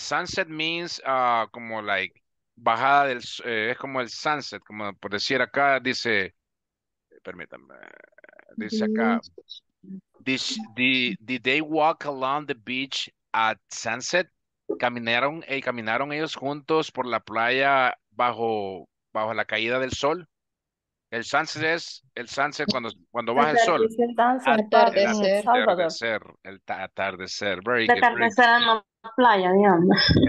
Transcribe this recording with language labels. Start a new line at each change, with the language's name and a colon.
English: Sunset means
Spanish: como like bajada del es como el sunset, como por decir acá dice, permítame. Dice acá,
English: did they walk along the beach at sunset?
Spanish: ¿Caminaron ellos juntos por la playa bajo la caída del sol? El sunset es el sunset cuando baja el sol. El atardecer.
English: Very good.
Spanish: Atardecer en la playa, digamos.